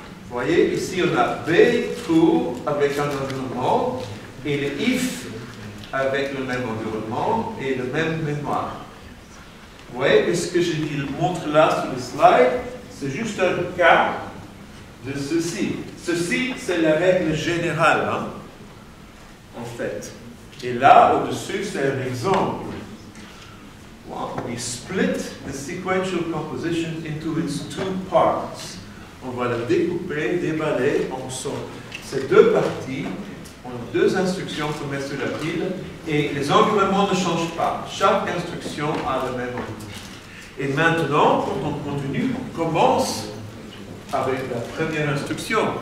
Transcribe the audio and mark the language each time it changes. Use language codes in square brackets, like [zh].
[fr] Voyez, ici on a B, true, avec un environnement, et le if, avec le même environnement, et le même mémoire. Vous voyez, ce que je dis, montre là sur le slide, c'est juste un cas de ceci. Ceci, c'est la règle générale, hein, en fait. Et là, au-dessus, c'est un exemple. [en] We split the sequential composition into its two parts. [fr] On va la découper, déballer en son. Ces deux parties ont deux instructions pour mettre sur la pile et les environnements ne changent pas. Chaque instruction a le même environnement. Et maintenant, quand on continue, on commence avec la première instruction.